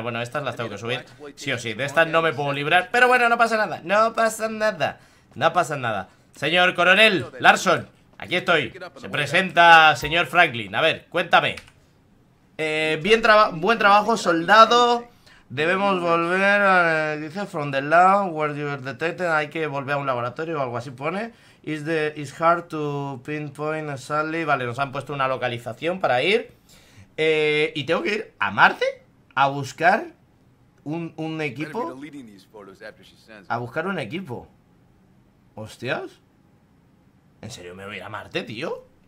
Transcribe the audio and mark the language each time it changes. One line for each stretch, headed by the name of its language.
Spanish: Bueno, estas las tengo que subir. Sí o sí, de estas no me puedo librar. Pero bueno, no pasa nada. No pasa nada. No pasa nada. Señor coronel Larson, aquí estoy. Se presenta señor Franklin. A ver, cuéntame. Buen trabajo, soldado. Debemos volver a, dice,
English: from the lab where you were detected.
Spanish: Hay que volver a un laboratorio o algo así pone.
English: It's hard to pinpoint a Sally.
Spanish: Vale, nos han puesto una localización para ir. Y tengo que ir a Marte a buscar un equipo. A buscar un equipo. Hostias. ¿En serio me voy a ir a Marte, tío?